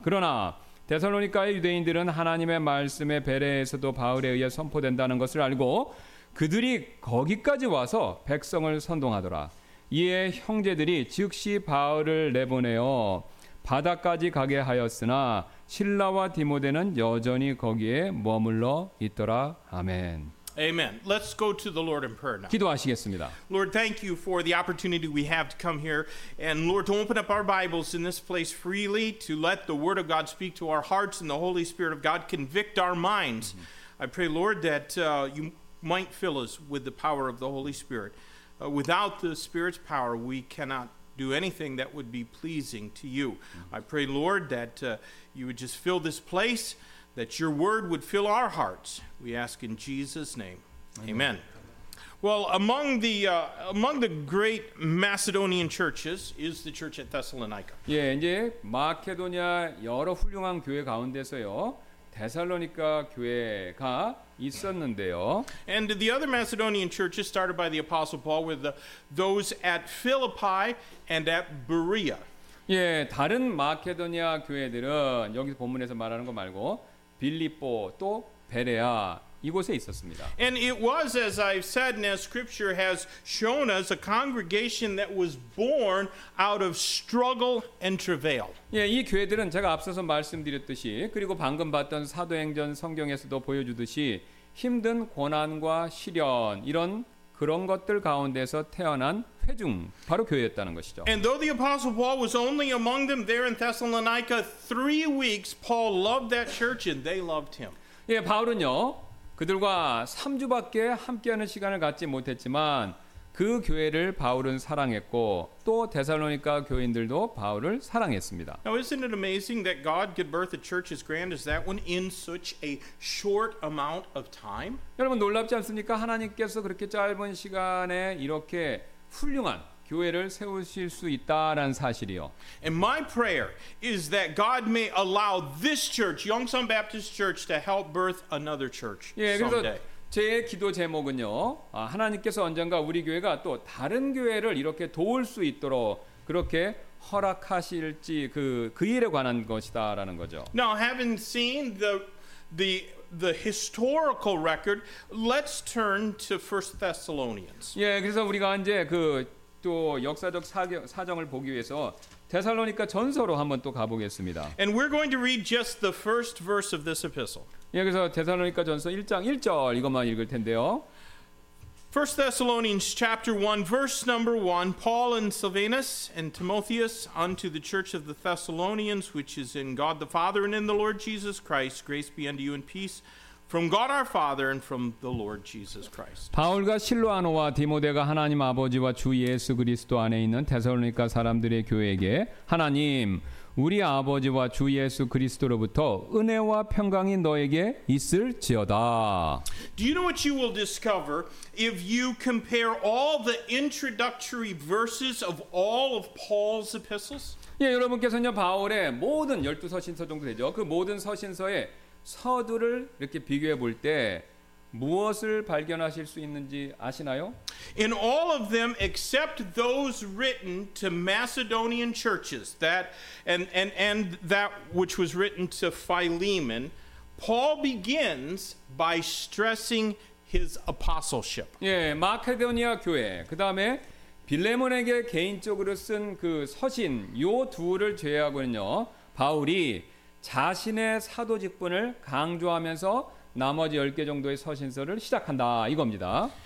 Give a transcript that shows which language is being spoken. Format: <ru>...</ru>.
<ko>그러나 데살로니가의 유대인들은 하나님의 말씀에 베레에서도 바울에 의해 선포된다는 것을 알고 그들이 거기까지 와서 백성을 선동하더라. 이에 형제들이 즉시 바울을 내보내어 바다까지 가게 하였으나 실라와 디모데는 여전히 거기에 머물러 있더라. 아멘.</ko> <en>Amen. Let's go to the Lord in prayer now.</en> <ko>기도하시겠습니다.</ko> <en>Lord, thank you for the opportunity we have to come here and Lord, to open up our Bibles in this place freely to let the Word of God speak to our hearts and the Holy Spirit of God convict our minds. Mm-hmm. I pray, Lord, that you might fill us with the power of the Holy Spirit. Without the Spirit's power, we cannot do anything that would be pleasing to you. Mm-hmm. I pray, Lord, that you would just fill this place, that your word would fill our hearts. We ask in Jesus' name. Amen. Amen. Well, among the great Macedonian churches is the church at Thessalonica.</en> <ko>예, 이제 마케도니아 여러 훌륭한 교회 가운데서요. 데살로니가 교회가 있었는데요.</ko> <en>And the other Macedonian churches started by the apostle Paul were those at Philippi and at Berea.</en> <ko>예, 다른 마케도니아 교회들은 여기서 본문에서 말하는 거 말고 빌립보 또 베레아 이곳에 있었습니다.</ko> <en>And it was, as I've said, and as Scripture has shown us, a congregation that was born out of struggle and travail.</en> <ko>예, 이 교회들은 제가 앞서서 말씀드렸듯이, 그리고 방금 봤던 사도행전 성경에서도 보여주듯이 힘든 고난과 시련 이런 그런 것들 가운데서 태어난 회중 바로 교회였다는 것이죠.</ko> <en>And though the apostle Paul was only among them there in Thessalonica 3 weeks, Paul loved that church and they loved him.</en> <ko>예, 바울은요. 그들과 3주밖에 함께하는 시간을 갖지 못했지만 그 교회를 바울은 사랑했고 또 데살로니가 교인들도 바울을 사랑했습니다.</ko> <en>Now isn't it amazing that God could birth a church as grand as that one in such a short amount of time?</en> <ko>여러분 놀랍지 않습니까? 하나님께서 그렇게 짧은 시간에 이렇게 훌륭한 교회를 세우실 수 있다라는 사실이요.</ko> <en>And my prayer is that God may allow this church, Yongsan Baptist Church, to help birth another church someday.</en> <ko>예, 그래서 제 기도 제목은요. 아, 하나님께서 언젠가 우리 교회가 또 다른 교회를 이렇게 도울 수 있도록 그렇게 허락하실지 그 일에 관한 것이다라는 거죠.</ko> <en>Now, having seen the historical record, let's turn to 1 Thessalonians.</en> <ko>예, 그래서 우리가 이제 그 또 역사적 사정을 보기 위해서 데살로니가 전서로 한번 또 가보겠습니다.</ko> <en>And we're going to read just the first verse of this epistle.</en> <ko>예, 그래서 데살로니가 전서 1장 1절 이것만 읽을 텐데요.</ko> <en>1 Thessalonians chapter 1 verse number 1 Paul and Silvanus and Timotheus unto the church of the Thessalonians which is in God the Father and in the Lord Jesus Christ grace be unto you and peace from God our Father and from the Lord Jesus Christ.</en> <ko>바울과 실로아노와 디모데가 하나님 아버지와 주 예수 그리스도 안에 있는 데살로니가 사람들의 교회에게 하나님 우리 아버지와 주 예수 그리스도로부터 은혜와 평강이 너에게 있을지어다.</ko> <en>Do you know what you will discover if you compare all the introductory verses of all of Paul's epistles?</en> <ko>예, 여러분께서는요 바울의 모든 12 서신서 정도 되죠. 그 모든 서신서에 서두를 이렇게 비교해 볼 때 무엇을 발견하실 수 있는지 아시나요?</ko> <en>In all of them except those written to Macedonian churches that and that which was written to Philemon, Paul begins by stressing his apostleship.</en> <ko>예, 마케도니아 교회, 그 다음에 빌레몬에게 개인적으로 쓴 그 서신, 요 둘을 제외하고는요, 바울이 자신의 사도 직분을 강조하면서 나머지 10개 정도의 서신서를 시작한다 이겁니다.</ko>